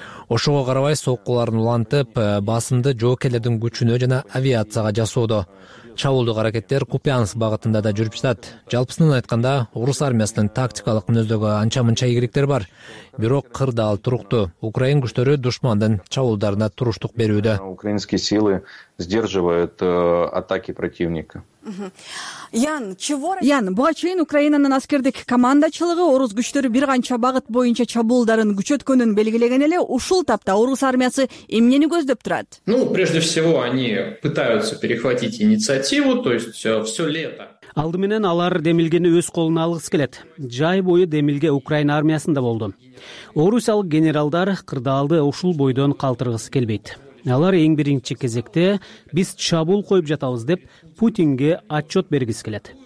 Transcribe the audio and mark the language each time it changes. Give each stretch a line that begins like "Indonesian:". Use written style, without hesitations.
Kyrgyz: Ошого карабай соккуларын улантып, басымды жоокерлердин күчүнө жана авиацияга жасоодо. Чабуулдук аракеттер Купянск багытында да жүрүп жатат. Жалпысынан айтканда, орус армиясынын тактикалык мүнөздөгү анча мынча ийгиликтер бар. Бирок кырдаал туруктуу. Украин күчтөрү душмандын чабуулдарына туруштук берүүдө.
Russian: Украинские силы сдерживают атаки противника.
Kyrgyz: Ян, буга чейин Украинанын аскердик командачылыгы орус күчтөрү бир канча багыт боюнча чабуулдарын күчөткөнүн белгилеген эле, ушул тапта орус армиясы эмнени көздөп турат?
Russian: Ну, прежде всего, они пытаются перехватить инициативу, то есть все лето.
Kyrgyz: Алды менен алар демилгени өз колуна алгысы келет. Жай бою демилге Украина армиясында болду. Орусиялык генералдар кырдаалды ушул бойдон калтыргысы келбейт. Алар эң биринчи кезекте биз чабуул коюп жатабыз деп Путинге отчет бергиси келет.